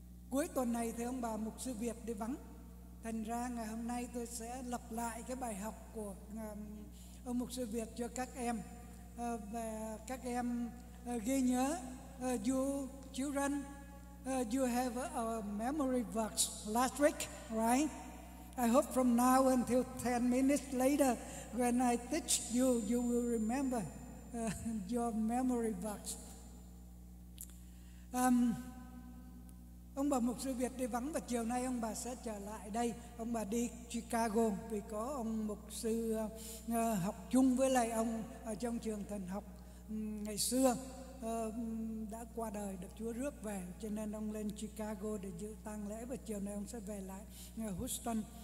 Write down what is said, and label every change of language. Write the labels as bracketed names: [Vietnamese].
[Vietnamese] Cuối tuần này thì ông bà mục sư Việt đi vắng, thành ra ngày hôm nay tôi sẽ lặp lại cái bài học của ông mục sư Việt cho các em, và các em ghi nhớ: [English] you children, you have a memory verse last week, right? I hope from now until 10 minutes later when I teach you, you will remember your memory verse. [Vietnamese] Ông bà mục sư Việt đi vắng và chiều nay ông bà sẽ trở lại đây. Ông bà đi Chicago vì có ông mục sư học chung với lại ông ở trong trường thần học ngày xưa đã qua đời, được Chúa rước về, cho nên ông lên Chicago để dự tang lễ, và chiều nay ông sẽ về lại Houston.